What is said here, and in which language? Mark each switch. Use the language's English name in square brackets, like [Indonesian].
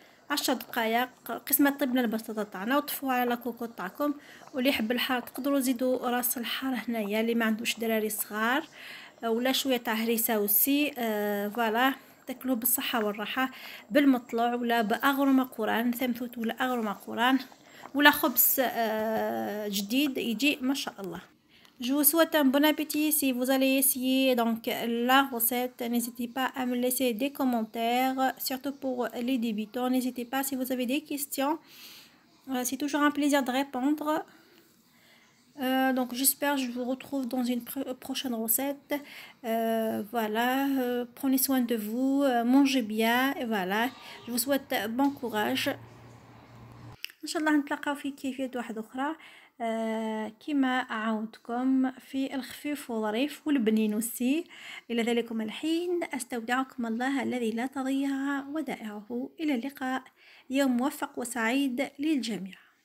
[Arabic] 10 دقائق. قسمة طيبنا البطاطا تاعنا وطفوها على الكوكوط تاعكم، واللي يحب الحار تقدروا زيدوا راس الحار هنايا اللي ما عندوش دراري صغار ولا شويه تاع هريسه وسي. فوالا تاكلوه بالصحه والراحه بالمطلع ولا باغرم قران ثمثوت ولا اغرم قران ولا خبز جديد يجي ما شاء الله. [French] Je vous souhaite un bon appétit si vous allez essayer donc la recette. N'hésitez pas à me laisser des commentaires, surtout pour les débutants. N'hésitez pas si vous avez des questions. C'est toujours un plaisir de répondre. Donc j'espère que je vous retrouve dans une prochaine recette. Voilà, prenez soin de vous, mangez bien. Et voilà, je vous souhaite bon courage. [Arabic] Inch'Allah, n'tlaqaou fi kayfiyat wahed okhra. كما أعودكم في الخفيف والظريف والبنين والسي. إلى ذلكم الحين أستودعكم الله الذي لا تضيع ودائعه. إلى اللقاء، يوم موفق وسعيد للجميع.